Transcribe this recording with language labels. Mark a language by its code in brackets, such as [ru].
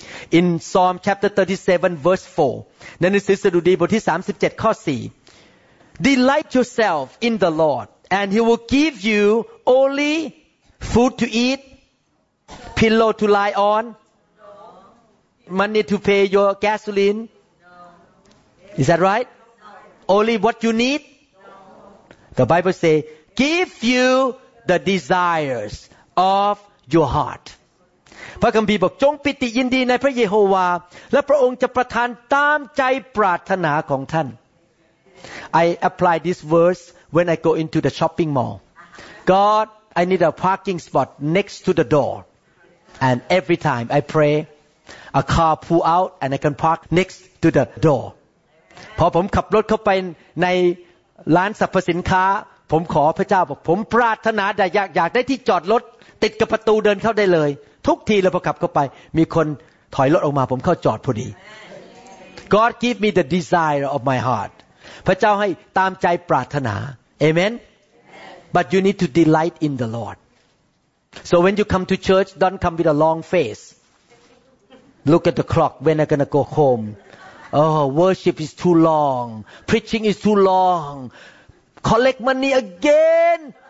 [en] In Psalm chapter 37 verse 4 [th] ในหนังสือสดุดีบทที่37ข้อ4 [en] Delight yourself in the Lord and he will give you only food to eat pillow to lie on money to pay your gasoline Is that right? Only what you need The Bible say give you the desires of your heart. [th] พระคัมภีร์บอกจงปิติยินดีในพระเยโฮวาและพระองค์จะประทานตามใจปรารถนาของท่าน [en] I apply this verse when I go into the shopping mall. God, I need a parking spot next to the door. And every time I pray, a car pull out and I can park next to the door. [th] พอผมขับรถเข้าไปในร้านสรรพสินค้าผมขอพระเจ้าบอกผมปรารถนาแต่อยากได้ที่จอดรถติดกับประตูเดินเข้าได้เลยทุกทีเราพอขับเข้าไปมีคนถอยรถออกมาผมเข้าจอดพอดี [en] God give me the desire of my heart [th] พระเจ้าให้ตามใจปรารถนา [en] Amen But you need to delight in the Lord So when you come to church don't come with a long face Look at the clock when I gonna go home Oh worship is too long preaching is too long collect money again